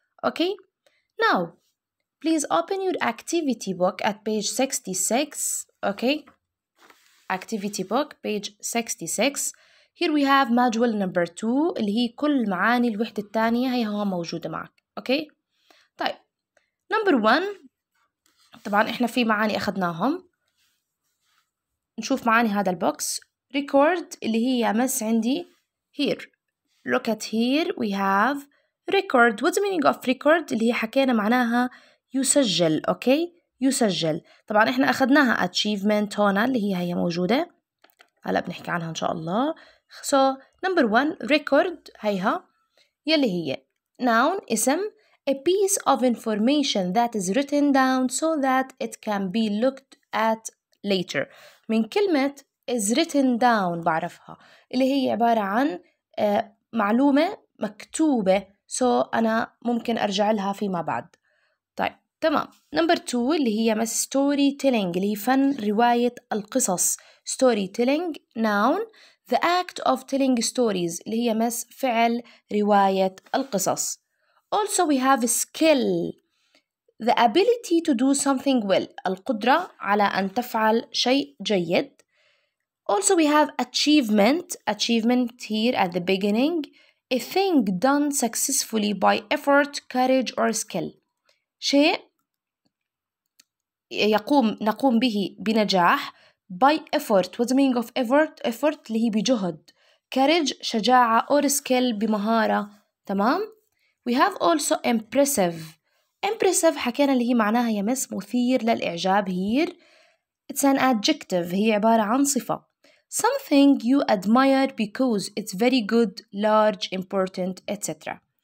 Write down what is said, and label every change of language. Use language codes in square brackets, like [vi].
[en] Okay, now please open your activity book at page 66. Okay, activity book, page 66. [ar] Here we have module number 2, اللي هي كل معاني الوحدة الثانية هي هو موجودة معك. Okay, طيب number 1, طبعا احنا في معاني اخذناهم. نشوف معاني هذا البوكس. Record اللي هي مس عندي here. [en] Look at here, we have record. What's the meaning of record؟ اللي هي حكينا معناها يسجل. [ar] Okay, يسجل. طبعا احنا اخذناها achievement هنا اللي هي هي موجودة. هلا بنحكي عنها ان شاء الله. So number 1, record هيها يلي هي noun, اسم. [en] A piece of information that is written down so that it can be looked at later. [ar] من كلمة is written down بعرفها اللي هي عبارة عن معلومة مكتوبة, so أنا ممكن أرجع لها فيما بعد. طيب تمام. Number 2 اللي هي storytelling اللي هي فن رواية القصص. [en] Storytelling noun, the act of telling stories اللي هي miss فعل رواية القصص. Also we have a skill, the ability to do something well, القدرة على أن تفعل شيء جيد. Also we have achievement, achievement here at the beginning, a thing done successfully by effort, courage or skill, شيء يقوم نقوم به بنجاح. By effort, what's the meaning of effort? Effort اللي هي بجهد. Courage, شجاعة. Or skill, بمهارة. تمام. We have also impressive. [ar] Impressive حكينا اللي هي معناها يمس مثير للإعجاب. [en] Here it's an adjective, هي عبارة عن صفة. Something you admire because it's very good, large, important, etc.